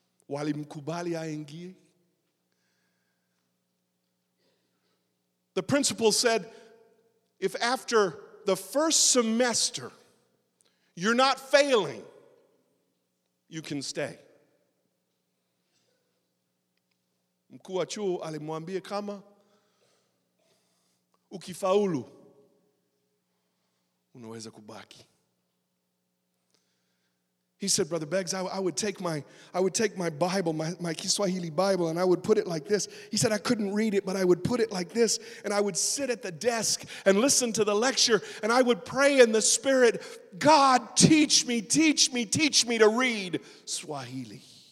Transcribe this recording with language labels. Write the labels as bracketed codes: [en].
[sw] Walimkubali aingie. [en] The principal said, if after the first semester, you're not failing, you can stay. [sw] Mkuu wa chuo alimwambia kama ukifaulu unaweza kubaki. [en] He said, Brother Beggs, I would take my Bible, my Kiswahili Bible, and I would put it like this. He said, I couldn't read it, but I would put it like this, and I would sit at the desk and listen to the lecture, and I would pray in the Spirit, God, teach me to read Swahili.